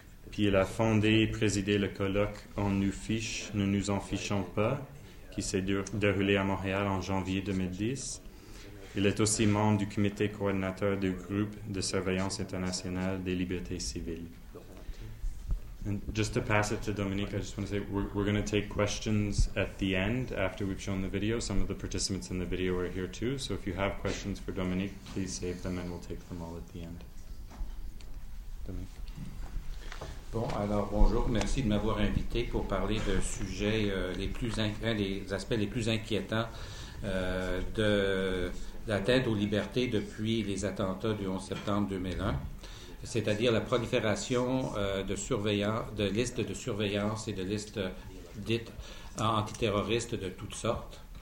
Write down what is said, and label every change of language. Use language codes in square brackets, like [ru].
[fr] Puis il a fondé et présidé le colloque « On nous fiche, nous nous en fichons pas » qui s'est déroulé à Montréal en janvier 2010. Il est aussi membre du comité coordinateur du groupe de surveillance internationale des libertés civiles. [en] And just to pass it to Dominique, I just want to say we're going to take questions at the end after we've shown the video. Some of the participants in the video are here too. So if you have questions for Dominique, please save them and we'll take them all at the end. [fr] Dominique. Bon, alors bonjour. Merci de m'avoir invité pour parler d'un sujet, des aspects les plus inquiétants de l'atteinte aux libertés depuis les attentats du 11 septembre 2001. C'est-à-dire la prolifération de listes de surveillance et de listes dites antiterroristes de toutes sortes.